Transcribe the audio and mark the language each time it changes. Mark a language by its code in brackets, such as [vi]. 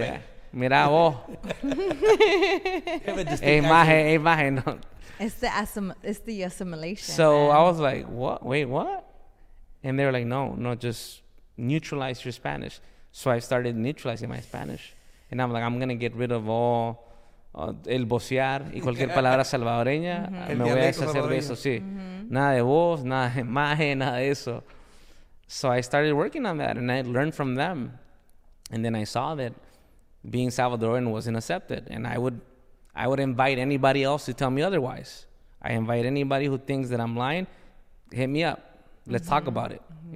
[es] Yeah. Mira vos. Hey, maje, no. [en] It's the assimilation. So I was like, what? Wait, what? And they were like, no, just neutralize your Spanish. So I started neutralizing my Spanish. And I'm like, I'm going to get rid of all... [es] el bocear y cualquier palabra salvadoreña, me voy a deshacer de eso, sí. Nada de voz, nada de maje, nada de eso. [en] So I started working on that and I learned from them. And then I saw that being Salvadoran wasn't accepted. And I would invite anybody else to tell me otherwise. I invite anybody who thinks that I'm lying, hit me up. Let's talk about it. Mm-hmm.